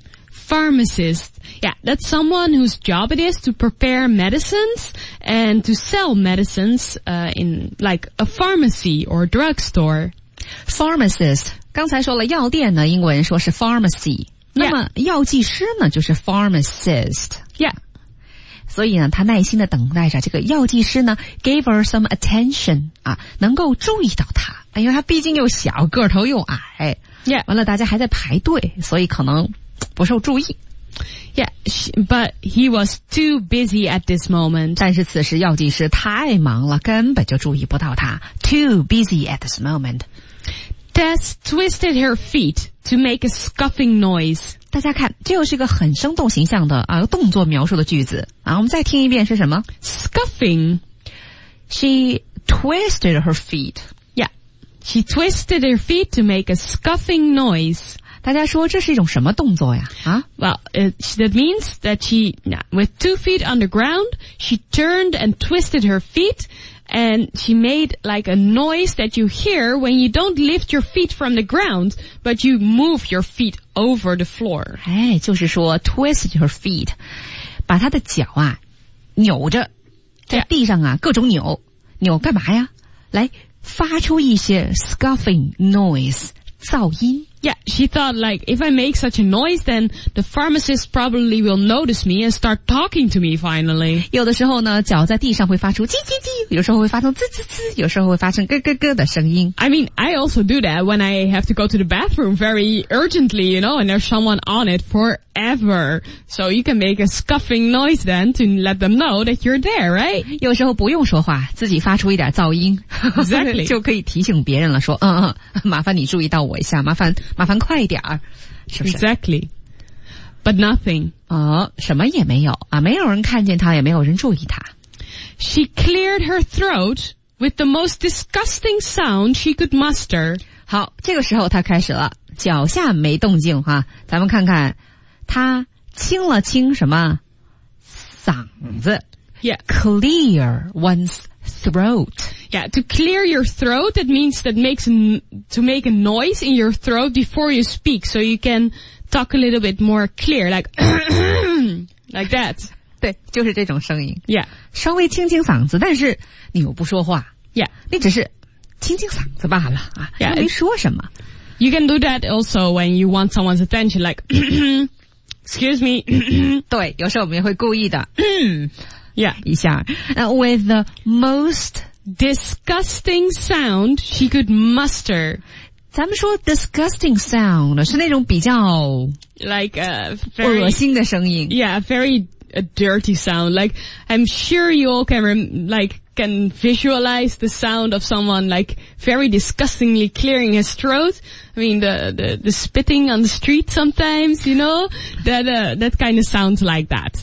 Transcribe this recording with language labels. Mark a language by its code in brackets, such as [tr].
[en] Pharmacist, yeah, that's someone whose job it is to prepare medicines and to sell medicines, in like a pharmacy or drugstore. [zh] Pharmacist, 刚才说了药店呢，英文说是 pharmacy. 那么药剂师呢，就是 pharmacist. [en] Yeah. [zh] 所以呢，他耐心地等待着这个药剂师呢 ， [en] gave her some attention [zh] 啊，能够注意到他，因为他毕竟又小，个头又矮。 [en] Yeah. [zh] 完了，大家还在排队，所以可能。不受注意。 [en] Yeah, but he was too busy at this moment. [zh] 但是此时药剂师太忙了，根本就注意不到他。 [en] Too busy at this moment. Tess twisted her feet to make a scuffing noise. [zh] 大家看，这又是一个很生动形象的啊动作描述的句子啊。我们再听一遍是什么 [en] ？Scuffing. She twisted her feet. Yeah, she twisted her feet to make a scuffing noise. [zh] 大家说这是一种什么动作呀？啊 [en] ？Well, that means that she, with two feet on the ground, she turned and twisted her feet, and she made like a noise that you hear when you don't lift your feet from the ground, but you move your feet over the floor. [zh] 哎，就是说 [en] twisted her feet, [zh] 把她的脚啊扭着，在地上啊各种扭，扭干嘛呀？来发出一些 [en] scuffing noise [zh] 噪音。 [en] Yeah, she thought like, if I make such a noise, then the pharmacist probably will notice me and start talking to me finally. [zh] 有的时候呢，脚在地上会发出叽叽叽，有时候会发出滋滋滋，有时候会发出咯咯咯的声音。 [en] I mean, I also do that when I have to go to the bathroom very urgently, you know, and there's someone on it forever. So you can make a scuffing noise then to let them know that you're there, right? [zh] 有时候不用说话，自己发出一点噪音。 [en] Exactly. [zh] 就可以提醒别人了，说，麻烦你注意到我一下，麻烦快一点儿，是不是 [en] ？Exactly, but nothing. [zh] 哦，什么也没有啊，没有人看见他，也没有人注意他。 [en] She cleared her throat with the most disgusting sound she could muster. [zh] 好，这个时候他开始了，脚下没动静哈，咱们看看，他清了清什么嗓子 [en] ？Yeah, clear one's throat. Yeah, to clear your throat, that means that makes, to make a noise in your throat before you speak, so you can talk a little bit more clear, like, like that. [zh] 对，就是这种声音。 [en] Yeah. [zh] 稍微清清嗓子，但是你又不说话。 [en] Yeah. [zh] 你只是清清嗓子罢了啊， [en] yeah, [zh] 没说什么。 [en] You can do that also when you want someone's attention, like, excuse me. [zh] 对，有时候我们也会故意的。 [en] yeah. [zh] 一下。 [en] With the most... Disgusting sound she could muster. [zh] 咱们说 [en] disgusting sound [zh] 是那种比较 [en] like a very [zh] 恶心的声音 [en] Yeah, very a dirty sound. Like I'm sure you all can visualize the sound of someone like very disgustingly clearing his throat. I mean the spitting on the street sometimes. You know that kind of sounds like that.